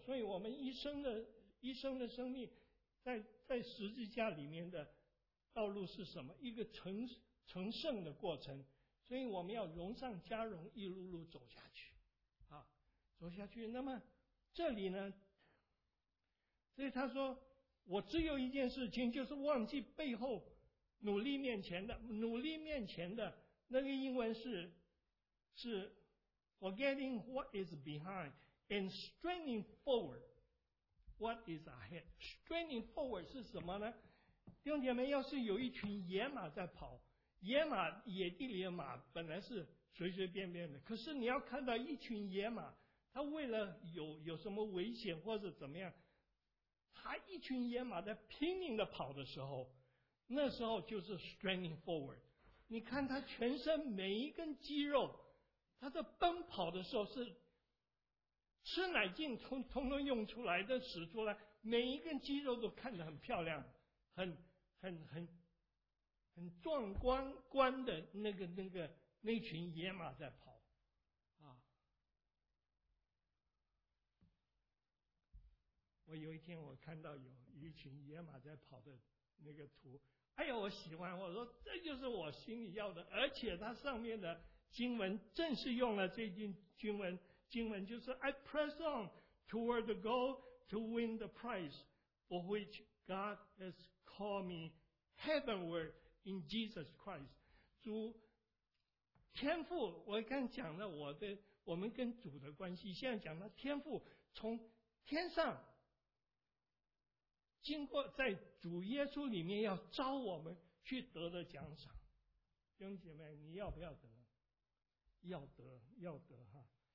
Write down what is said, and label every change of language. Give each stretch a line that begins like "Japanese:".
Chinese: 所以我们一生的生命在十字架里面的道路是什么？一个成圣的过程。所以我们要荣上加荣，一路路走下去啊，走下去。那么这里呢，所以他说我只有一件事情，就是忘记背后努力面前的。努力面前的那个英文是
English: forgetting what is behind and straining forward what is ahead。
Chinese: straining forward 是什么呢？弟兄姐妹，要是有一群野马在跑，野马野地里的马本来是随随便便的，可是你要看到一群野马，他为了有什么危险或者怎么样，他一群野马在拼命的跑的时候，那时候就是 straining forward。你看他全身每一根肌肉，他在奔跑的时候是吃奶劲通通用出来的，使出来每一根肌肉都看得很漂亮，很壮观的那群野马在跑啊。我有一天我看到有一群野马在跑的那个图，哎呦，我喜欢，我说这就是我心里要的。而且它上面的经文正是用了这句经文，就是
English: I press on toward the goal to win the prize for which God has called me heavenward in Jesus Christ。
Chinese: 主天父，我刚讲了我们跟主的关系，现在讲了天父从天上经过在主耶稣里面要招我们去得的奖赏。弟兄姐妹，你要不要得？要得，要得哈。